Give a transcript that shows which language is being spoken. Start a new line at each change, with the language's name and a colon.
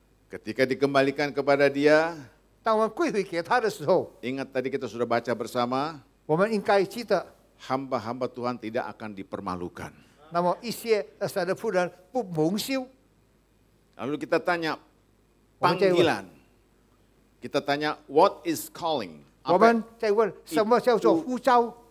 Indonesian: Ketika dikembalikan kepada dia,
Chinese: 当我们归回给他的时候,
Indonesian: ingat tadi kita sudah baca bersama,
Chinese: 我们应该记得,
Indonesian: hamba-hamba Tuhan tidak akan dipermalukan.
Chinese: 那么一些神的仆人不蒙羞.
Indonesian: Lalu kita tanya panggilan. Kita tanya
English: what is calling?
Chinese: 我们再问什么叫做呼召?